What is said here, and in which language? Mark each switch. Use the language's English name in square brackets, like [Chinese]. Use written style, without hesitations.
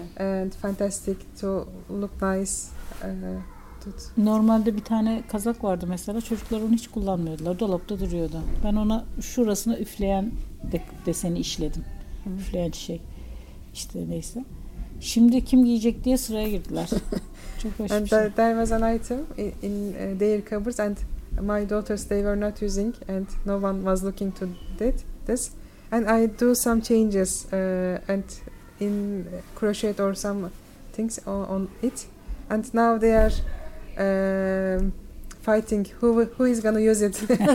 [English] And fantastic to look nice. [Turkish] Normalde bir tane kazak vardı mesela, çocuklar onu hiç kullanmıyordular, dolapta duruyordu. Ben ona şurasına üfleyen deseni işledim, hmm. Üfleyen çiçek. İşte neyse. Şimdi kim giyecek diye sıraya girdiler. Çok hoş [English] and [Turkish] bir şey. [English] And there was an item in their cupboards and my daughters they were not using and no one was looking to this. And I do some changes and in crochet or some things on it. And now they are fighting who is going to use it.